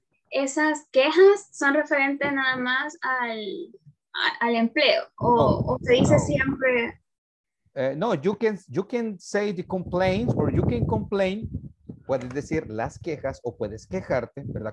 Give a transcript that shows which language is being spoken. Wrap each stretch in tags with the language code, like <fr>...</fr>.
<es>¿Esas quejas son referentes nada más al empleo? ¿O se dice siempre?</es> <en>No, you can say the complaints or you can complain.</en> <es>Puedes decir las quejas o puedes quejarte, ¿verdad?</es>